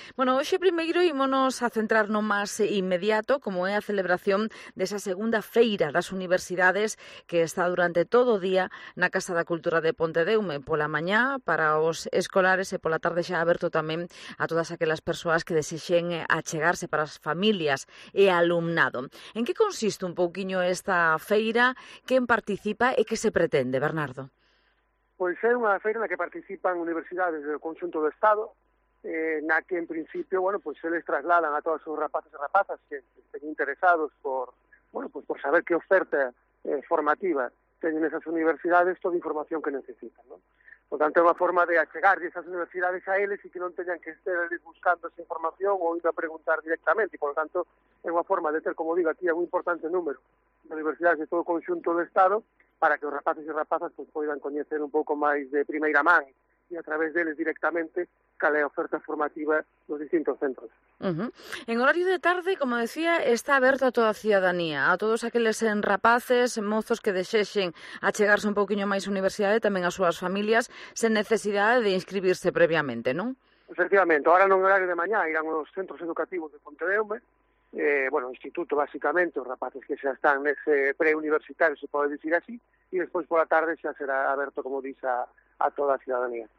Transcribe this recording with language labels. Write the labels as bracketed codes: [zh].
[gl] Bueno, hoxe primeiro ímonos a centrar no máis inmediato, como é a celebración desa segunda feira das universidades que está durante todo o día na Casa da Cultura de Pontedeume, pola mañá para os escolares e pola tarde xa aberto tamén a todas aquelas persoas que desexen achegarse, para as familias e alumnado. En que consiste un pouquiño esta feira, quen participa e que se pretende, Bernardo? Pois é unha feira na que participan universidades do conxunto do Estado, [es] en la que en principio, bueno, pues se les trasladan a todos sus rapaces y rapazas que estén interesados por, bueno, pues por saber qué oferta formativa tienen esas universidades, toda información que necesitan, ¿no? Por tanto, es una forma de llegar de esas universidades a ellos y que no tengan que estar buscando esa información o ir a preguntar directamente. Y, por lo tanto, es una forma de tener, como digo, aquí un importante número de universidades de todo el conjunto del Estado para que los rapaces y rapazas pues, puedan conocer un poco más de primera mano y a través de ellos directamente la oferta formativa en los distintos centros. Uh-huh. [gl] En horario de tarde, como decía, está aberto a toda a ciudadanía, a todos aqueles rapaces, mozos que desexen achegarse un poquinho máis a universidade, tamén a súas familias, sen necesidade de inscribirse previamente, non? Efectivamente, ahora non horario de mañá, irán os centros educativos de Pontedeume, bueno, instituto básicamente, os rapaces que xa están nese preuniversitario, se pode dicir así, e despois pola tarde xa será aberto, como dixe, a toda a ciudadanía.